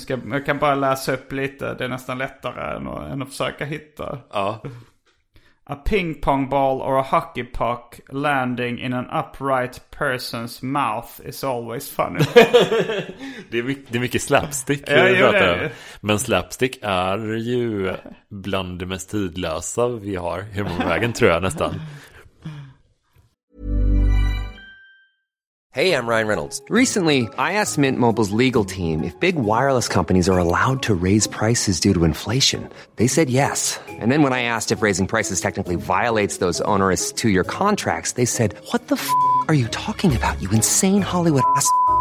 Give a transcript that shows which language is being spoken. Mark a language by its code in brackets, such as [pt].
[sv] Jag kan bara läsa upp lite. Det är nästan lättare än att försöka hitta. Ja. [en] A ping pong ball or a hockey puck landing in an upright person's mouth is always funny. [sv] det är mycket slapstick. Men slapstick är ju bland det mest tidlösa vi har. Humorvägen tror jag nästan. [en] Hey, I'm Ryan Reynolds. Recently, I asked Mint Mobile's legal team if big wireless companies are allowed to raise prices due to inflation. They said yes. And then when I asked if raising prices technically violates those onerous two-year contracts, they said, what the f*** are you talking about, you insane Hollywood ass f-.